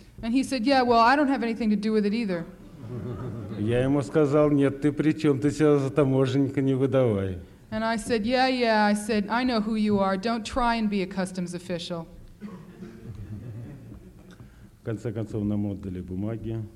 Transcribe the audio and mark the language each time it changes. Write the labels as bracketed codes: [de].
[en] And he said, yeah, well, I don't have anything to do with it either. [ru] Я ему сказал: нет, ты при чем? Ты себя за таможенника не выдавай. [en] And I said, yeah, I said, I know who you are. Don't try and be a customs official. [ru] В конце концов, нам отдали бумаги.